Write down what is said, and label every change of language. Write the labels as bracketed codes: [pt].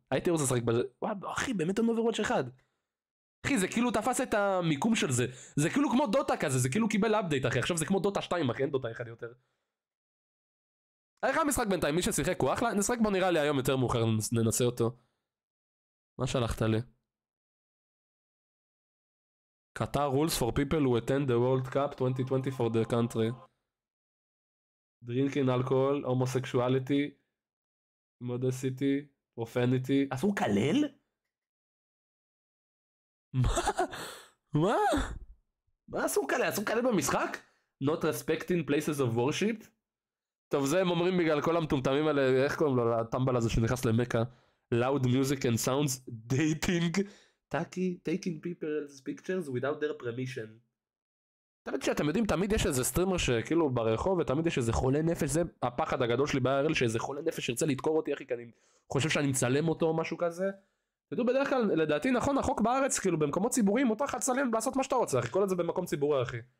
[he] הייתי רוצה לשחק בזה, וואו אחי באמת אין Overwatch 1. אחי זה כאילו תפס את המיקום של זה, זה כאילו כמו דוטה כזה, זה כאילו קיבל אפדייט אחי, עכשיו זה כמו דוטה 2 אחי, אין דוטה 1 יותר. איך המשחק בינתיים, מי ששיחק הוא אחלה, נשחק בו נראה לי היום יותר מאוחר, ננסה אותו. מה שלחת לי? [en] Qatar rules for people who attend the World Cup 2020 for the country. Drinking alcohol, homosexuality, modesty, profanity. [he] אז הוא כלל? מה? אסור כלל? אסור כלל במשחק? [en] Not respecting places of worship? [he] טוב, זה הם אומרים בגלל כל המטומטמים האלה, איך קוראים לו לטמבל הזה שנכנס למקה? [en] Loud music and sounds, dating, tacky, taking people's pictures without their permission. [he] תמיד שאתם יודעים, תמיד יש איזה סטרימר שכאילו ברחוב, ותמיד יש איזה חולה נפש, זה הפחד הגדול שלי בערל, שאיזה חולה נפש שרצה לדקור אותי, אחי, כי אני חושב שאני מצלם אותו או משהו כזה. ודעו בדרך כלל, לדעתי נכון, החוק בארץ, כאילו במקומות ציבוריים, מותר לך לצלם לעשות מה שאתה רוצה, אחי, כל את זה במקום ציבורי, אחי.